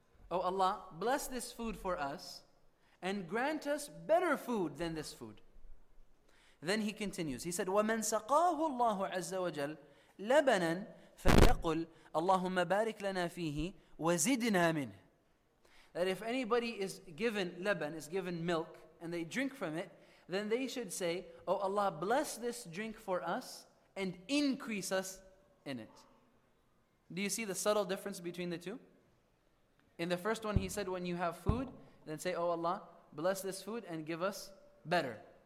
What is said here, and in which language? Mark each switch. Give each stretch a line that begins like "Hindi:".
English: O Allah, bless this food for us, and grant us better food than this food. Then he continues. He said,
Arabic: وَمَنْ سَقَاهُ اللَّهُ عَزَّ وَجَلْ لَبَنًا فَلْيَقُلْ اللَّهُمَّ بَارِكْ لَنَا فِيهِ وَزِدْنَا مِنْهِ.
English: That if anybody is given laban, is given milk, and they drink from it, then they should say, O Allah, bless this drink for us and increase us in it. Do you see the subtle difference between the two? In the first one, he said, when you have food, then say, O Allah, bless this food and give us better.